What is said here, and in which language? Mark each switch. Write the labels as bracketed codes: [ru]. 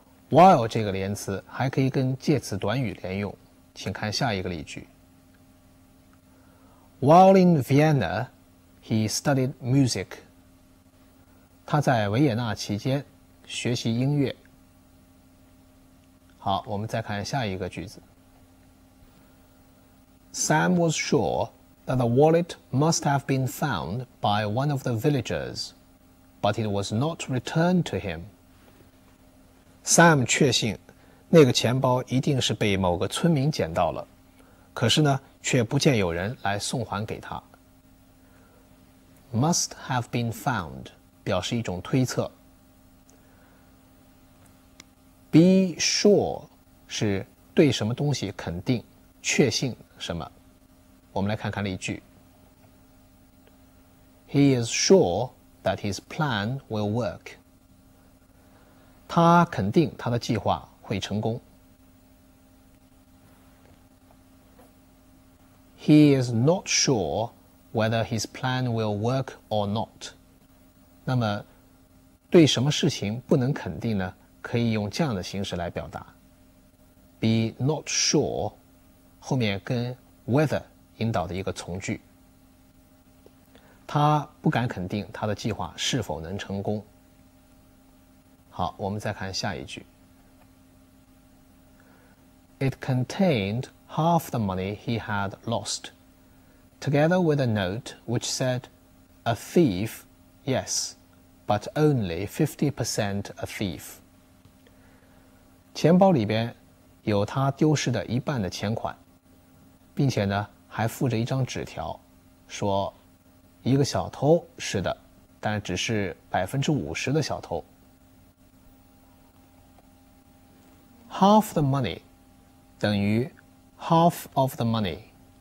[zh] While 这个连词还可以跟介词短语连用，请看下一个例句。 [en] While in Vienna, he studied music. [zh] 他在维也纳期间学习音乐。好，我们再看下一个句子。 [en] Sam was sure that the wallet must have been found by one of the villagers, but it was not returned to him. [zh] Sam 确信那个钱包一定是被某个村民捡到了，可是呢却不见有人来送还给他。 [en] Must have been found [zh] 表示一种推测。 [en] Be sure [zh] 是对什么东西肯定确信什么。我们来看看例句。 [en] He is sure that his plan will work. [zh] 他肯定他的计划会成功。 [en] He is not sure whether his plan will work or not. [zh] 那么，对什么事情不能肯定呢？可以用这样的形式来表达。 [en] Be not sure, [zh] 后面跟 whether 引导的一个从句。他不敢肯定他的计划是否能成功。好，我们再看下一句。 [en] It contained half the money he had lost, together with a note which said, "A thief, yes, but only 50% a thief." [zh] 钱包里边有他丢失的一半的钱款，并且呢还附着一张纸条，说一个小偷是的，但只是50%的小偷。 [en] Half the money [zh] 等于 [en] half of the money.